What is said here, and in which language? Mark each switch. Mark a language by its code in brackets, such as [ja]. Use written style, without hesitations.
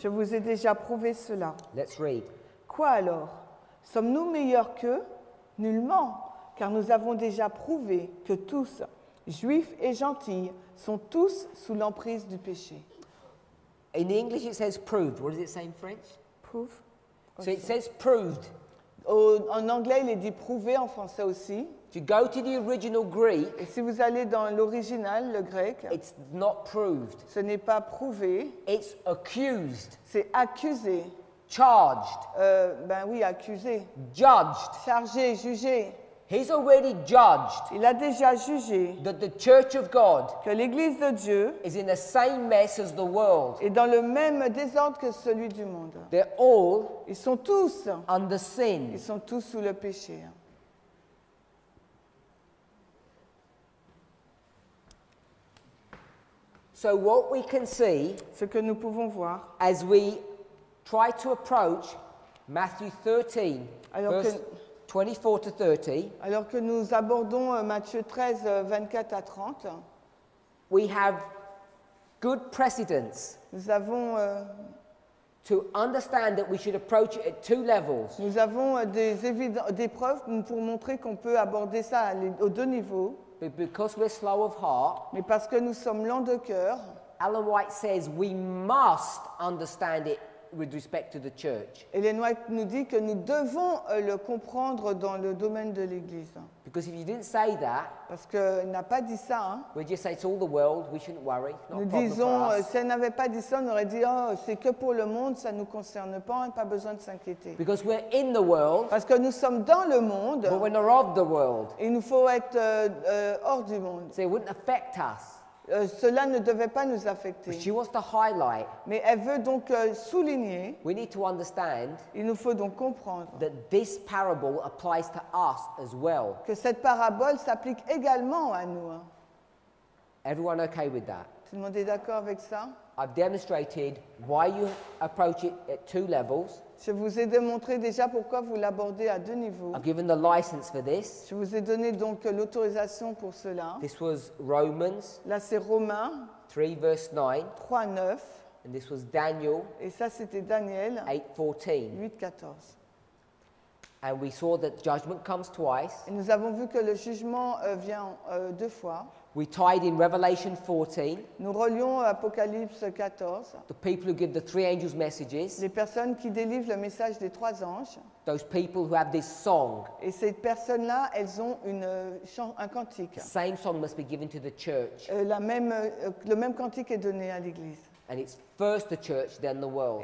[fr] Je vous ai déjà prouvé cela. [en] Let's read. [fr] Quoi alors? Sommes-nous meilleurs qu'eux? Nullement, car nous avons déjà prouvé que tous, juifs et gentils, sont tous sous l'emprise du péché. [en] In English it says proved. What does it say in French? Prove. So it says proved. [fr] En anglais il est dit prouvé, en français aussi. [en] To go to the original Greek, [fr] et si vous allez dans l'original, le grec, [en] it's not proved. [fr] Ce n'est pas prouvé. [en] It's accused. [fr] C'est accusé. [en] Charged. [fr] Accusé. [en] Judged. [fr] Chargé, jugé. [en] He's already judged. [fr] Il a déjà jugé [en] that the church of God [fr] que l'église de Dieu [en] is in the same mess as the world. [fr] Est dans le même désordre que celui du monde. [en] They're all [fr] ils sont tous [en] under sin. [fr] Ils sont tous sous le péché. [en] So what we can see, [fr] ce que nous pouvons voir, [en] as we try to approach Matthew 13, verse 24 to 30, [fr] alors que nous abordons Matthieu 13, 24 à 30, [en] we have good precedents. [fr] Nous avons [en] to understand that we should approach it at two levels. [fr] Nous avons des preuves pour montrer qu'on peut aborder ça aux deux niveaux. [en] But because we're slow of heart, [fr] mais parce que nous sommes lents de cœur, [en] Ellen White says we must understand it with respect to the church. [fr] Ellen White nous dit que nous devons le comprendre dans le domaine de l'Église. [en] Because if you didn't say that, [fr] parce qu'il n'a pas dit ça, hein, [en] we just say it's all the world, we shouldn't worry. [fr] Nous disons, si elle n'avait pas dit ça, on aurait dit, oh, c'est que pour le monde, ça nous concerne pas, on n'a pas besoin de s'inquiéter. [en] Because we're in the world, [fr] parce que nous sommes dans le monde, [en] but we're not of the world. [fr] Il nous faut être hors du monde. [en] So it wouldn't affect us. [fr] Cela ne devait pas nous affecter. [en] But she wants to highlight, [fr] mais elle veut donc souligner. [en] We need to understand, [fr] il nous faut donc comprendre [en] that this parable applies to us as well. [fr] Que cette parabole s'applique également à nous. [en] Everyone okay with that? [fr] Tout le monde est d'accord avec ça? [en] I've demonstrated why you approach it at two levels. [fr] Je vous ai démontré déjà pourquoi vous l'abordez à deux niveaux. [en] I've given the license for this. [fr] Je vous ai donné donc l'autorisation pour cela. [en] This was Romans. [fr] Là, c'est Romains. [en] 3, verse 9. [fr] 3, 9. [en] And this was Daniel. [fr] Et ça, c'était Daniel. [en] 8, 14. [fr] 8, 14. [en] And we saw that judgment comes twice. [fr] Et nous avons vu que le jugement vient deux fois. [en] We tied in Revelation 14. [fr] Nous relions Apocalypse 14. [en] The people who give the three angels messages. [fr] Les personnes qui délivrent le message des trois anges. [en] Those people who have this song. [fr] Et ces personnes-là, elles ont un cantique. [en] The same song must be given to the church. [fr] Le même cantique est donné à l'église. [en] And it's first the church, then the world.